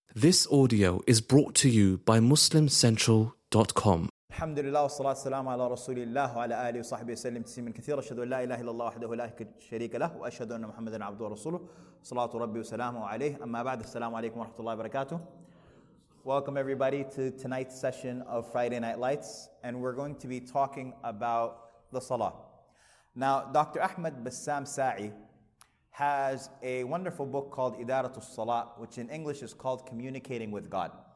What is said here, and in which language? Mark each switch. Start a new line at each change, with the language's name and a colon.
English: This audio is brought to you by MuslimCentral.com.
Arabic: الحمد لله والصلاة والسلام على رسول الله وعلى آله وصحبه وسلم تسليما كثيرا. أشهد أن لا إله إلا الله وحده لا شريك له وأشهد أن محمدا عبده ورسوله. صلاة ربي وسلامه عليه. أما بعد, السلام عليكم ورحمة الله وبركاته.
English: Welcome everybody to tonight's session of Friday Night Lights, and we're going to be talking about the Salah. Now, Dr. Ahmed Bassam Sa'i has a wonderful book called Idaratul Salah, which in English is called Communicating with God.